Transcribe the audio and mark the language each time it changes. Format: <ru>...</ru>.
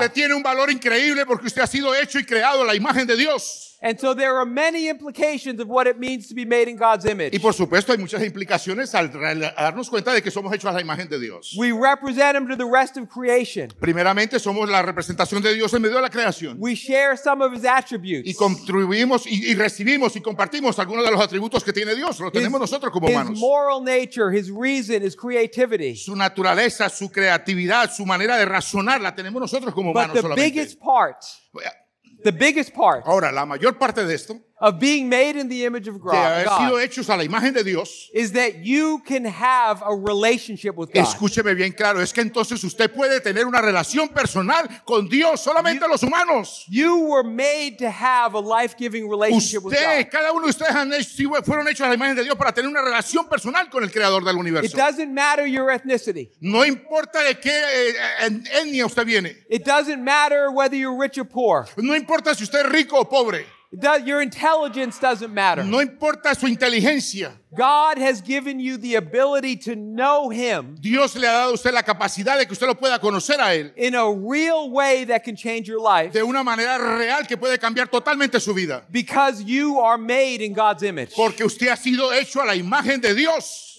<es>Usted tiene un valor increíble porque usted ha sido hecho y creado a la imagen de Dios.</es> <en>And so there are many implications of what it means to be made in God's image.</en> <es>Y por supuesto hay muchas implicaciones al darnos cuenta de que somos hechos a la imagen de Dios.</es> <en>We represent him to the rest of creation.</en> <es>Primeramente somos la representación de Dios en medio de la creación.</es> <en>We share some of his attributes.</en> <es>Y contribuimos y recibimos y compartimos algunos de los atributos que tiene Dios. Lo tenemos nosotros como humanos.</es> <en>His moral nature, his reason, his creativity.</en> <es>Su naturaleza, su creatividad, su manera de razonar la tenemos nosotros como humanos solamente.</es> <en>But the biggest part.</en> <es>Ahora, la mayor parte de esto</es> <en>of being made in the image of God,</en> <es>de haber sido hechos a la imagen de Dios,</es> <en>is that you can have a relationship with God.</en> <es>Escúcheme bien claro, es que entonces usted puede tener una relación personal con Dios, solamente los humanos.</es> <en>You were made to have a life-giving relationship with God.</en> <es>Cada uno de ustedes fueron hechos a la imagen de Dios para tener una relación personal con el creador del universo.</es> <en>It doesn't matter your ethnicity.</en> <es>No importa de qué etnia usted viene.</es> <en>It doesn't matter whether you're rich or poor.</en> <es>No importa si usted es rico o pobre.</es> <en>Your intelligence doesn't matter.</en> <es>No importa su inteligencia.</es> <en>God has given you the ability to know him.</en> <es>Dios le ha dado a usted la capacidad de que usted lo pueda conocer a él.</es> <en>In a real way that can change your life.</en> <es>De una manera real que puede cambiar totalmente su vida.</es> <en>Because you are made in God's image.</en> <es>Porque usted ha sido hecho a la imagen de Dios.</es>